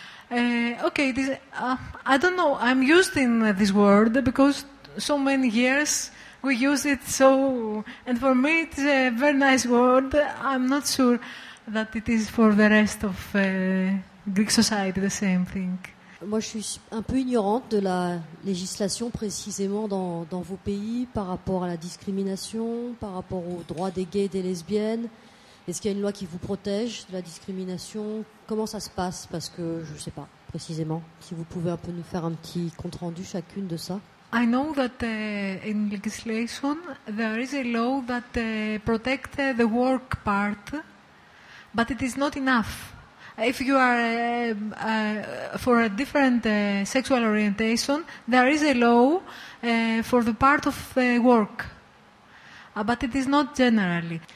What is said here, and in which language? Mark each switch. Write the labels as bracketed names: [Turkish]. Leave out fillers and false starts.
[English] Okay, this, I don't know. I'm used in this word because so many years we use it. So, and for me, it's a very nice word. I'm not sure that it is for the rest of Greek society the same thing. [French] Moi, je suis un peu ignorante de la législation précisément dans vos pays par rapport à la discrimination, par rapport aux droits des gays et des lesbiennes. Est-ce qu'il y a une loi qui vous protège de la discrimination? Comment ça se passe? Parce que je ne sais pas précisément. Si vous pouvez un peu nous faire un petit compte-rendu chacune de ça. [English] I know that in legislation, there is a law that protects the work part, but it is not enough. If you are for a different sexual orientation, there is a law for the part of work, but it is not generally.